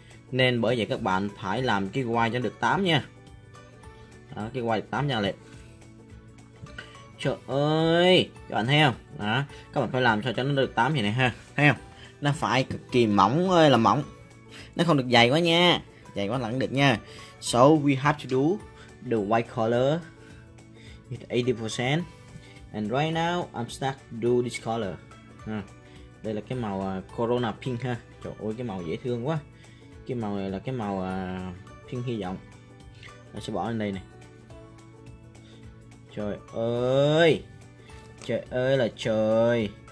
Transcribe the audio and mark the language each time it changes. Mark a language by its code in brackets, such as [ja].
[vi] Nên bởi vậy các bạn phải làm cái wide cho được 8 nha. Đó, cái wide được 8 nha lệ. Trời ơi, các bạn thấy không? Đó, các bạn phải làm sao cho nó được 8 như này ha, thấy không? Nó phải cực kỳ mỏng ơi là mỏng, nó không được dày quá nha, dày quá lẫn được nha. [en] So we have to do the white color at 80%, and right now I'm stuck do this color. [vi] Đây là cái màu corona pink ha. Trời ơi cái màu dễ thương quá, cái màu này là cái màu pink hy vọng. Nó sẽ bỏ lên đây này. Trời ơi, trời ơi là trời.